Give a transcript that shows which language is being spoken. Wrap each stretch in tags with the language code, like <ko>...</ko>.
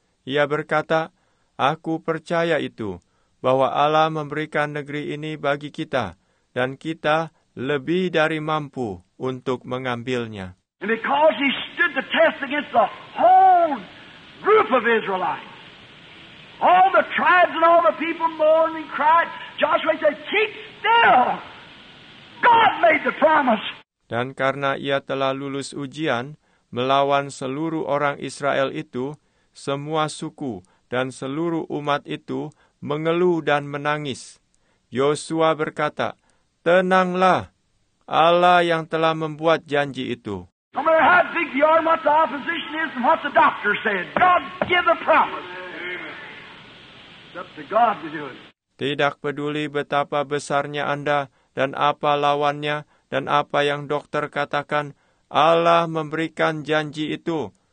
<id>Ia berkata, aku percaya itu, bahwa Allah memberikan negeri ini bagi kita, dan kita lebih dari mampu untuk mengambilnya.</id> <en>And because he stood the test against the whole group of Israelites, all the tribes and all the people mourned and cried, Joshua said, keep still. God made the promise.</en> <id>Dan karena ia telah lulus ujian, melawan seluruh orang Israel itu, semua suku dan seluruh umat itu mengeluh dan menangis. Yosua berkata, tenanglah, Allah yang telah membuat janji itu.</id> <en>No matter how big the army, what the opposition is, and what the doctor said, God give the promise. It's up to God to do it.</en> <id>Tidak peduli betapa besarnya Anda dan apa lawannya dan apa yang dokter katakan, Allah memberikan janji itu.</id>